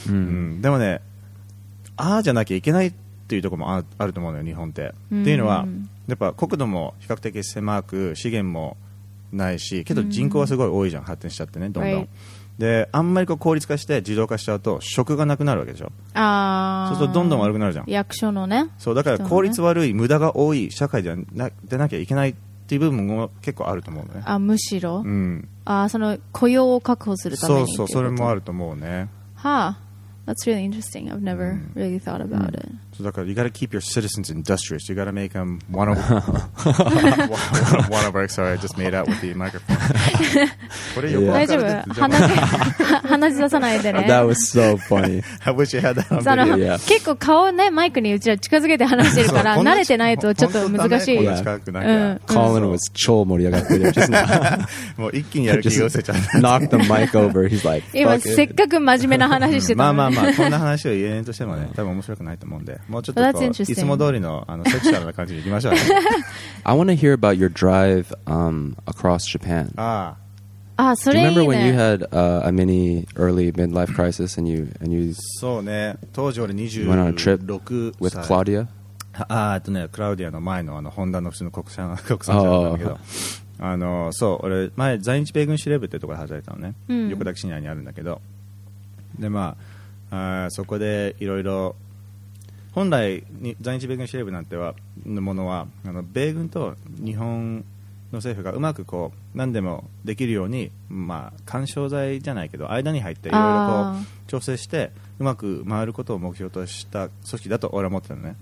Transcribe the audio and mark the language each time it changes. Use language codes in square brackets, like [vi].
[ja] うんうん、でもね、ああじゃなきゃいけないっていうところもあると思うのよ、日本って、うん、っていうのはやっぱ国土も比較的狭く資源もないし、けど人口はすごい多いじゃん、うん、発展しちゃってね、どんどん、はい、であんまりこう効率化して自動化しちゃうと職がなくなるわけでしょ。あそうするとどんどん悪くなるじゃん、役所のね。そうだから効率悪い、ね、無駄が多い社会でなきゃいけないっていう部分も結構あると思うのね。あむしろ、うん、あその雇用を確保するためにそうそう、それもあると思うね。 [en] はあ That's really interesting. I've never really thought about it. So, だから you gotta keep your citizens industrious. You gotta make them one of one of our. Sorry, I just made out with the microphone. [ja] これ横から出てる。大丈夫。鼻血出さないでね。 [en] That was so funny. I wish you had that on video. [ja] 結構顔ねマイクにうちら近づけて話してるから慣れてないとちょっと難しい。 Colin was 超盛り上がってる。もう一気にやる気を失せちゃった。 [en] Knock the mic over. He's like, [ja] 今せっかく真面目な話してた。まあまあこんな話を言えんとしてもね、多分面白くないと思うんで、もうちょっとこういつも通りのあのセクシュアルな感じでいきましょうね。 [en] I want to hear about your drive across Japan. [ja] ああそれいいね。 [en] Do you remember when you had a mini early midlife crisis and you [ja] そうね、当時俺26歳。 [en] Went on a trip with Claudia. [ja] ああとね、クラウディアの前のあのホンダの普通の国産車なんだけど、あのそう俺前在日米軍司令部ってところで働いたのね、うん、横田基地内にあるんだけど、でまあ。そこでいろいろ本来に在日米軍司令部なんてはのものはあの米軍と日本の政府がうまくこう何でもできるように、まあ、緩衝材じゃないけど間に入っていろいろ調整してうまく回ることを目標とした組織だと俺は思ってたのね、